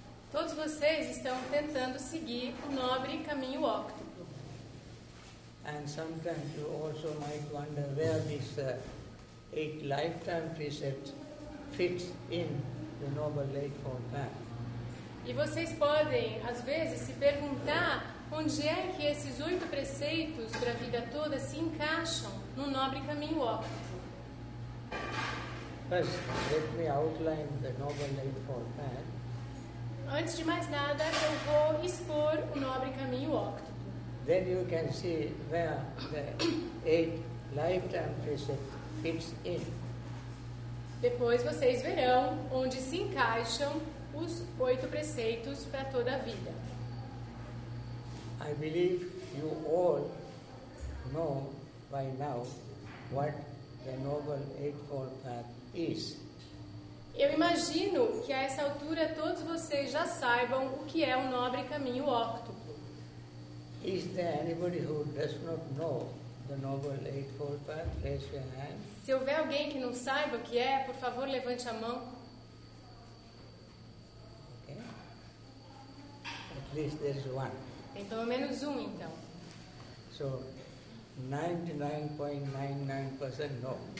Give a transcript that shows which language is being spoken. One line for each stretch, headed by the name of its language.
Portuguese: Todos vocês estão tentando seguir o nobre caminho óctuplo.
English: And sometimes you also might wonder where this eight lifetime precepts fits in the Noble Eightfold Path.
Portuguese: E vocês podem, às vezes, se perguntar onde é que esses 8 preceitos para a vida toda se encaixam no nobre caminho óctuplo.
English: First, let me outline the Noble Eightfold Path.
Portuguese: Antes de mais nada, eu vou expor o nobre caminho óctuplo.
English: Then you can see where the eight lifetime precepts fits in.
Portuguese: Depois vocês verão onde se encaixam os 8 preceitos para toda a vida.
English: I believe you all know by now what the Noble Eightfold Path is.
Portuguese: Eu imagino que a essa altura todos vocês já saibam o que é o nobre caminho óctuplo.
English: Is there anybody who does not know the Noble Eightfold Path? Raise your hand.
Portuguese: Se houver alguém que não saiba o que é, por favor, levante a mão.
English: Okay. At least there's one.
Portuguese: Tem pelo menos um, então. So, 99.99% não.